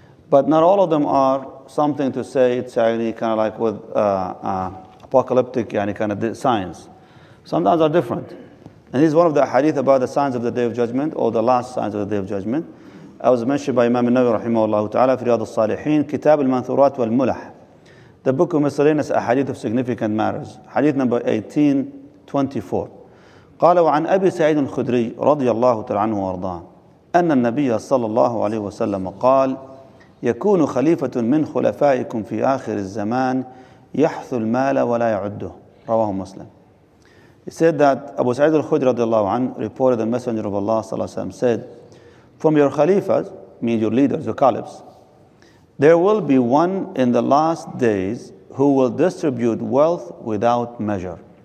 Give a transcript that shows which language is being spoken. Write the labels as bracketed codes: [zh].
[en] But not all of them are something to say. It's kind of like with apocalyptic kind of signs. Sometimes are different. And this is one of the hadith about the signs of the Day of Judgment, or the last signs of the Day of Judgment. I was mentioned by Imam al-Nawawi rahimahullah ta'ala fi Riyadh al-Salihin, Kitab al-Manthurat wal-Mulah, the book of miscellaneous hadith of significant matters. Hadith number 1824. [ar] قال وعن أبي سعيد الخدري رضي الله تعالى عنه وارضاه أن النبي صلى الله عليه وسلم قال يكون خليفة من خلفائكم في آخر الزمان يحث المال ولا يعده. رواه مسلم. [en] He said that Abu Sa'id al-Khudri radiallahu anhu reported the Messenger of Allah sallallahu alayhi wa sallam said, from your khalifas, means your leaders, your caliphs, there will be one in the last days who will distribute wealth without measure.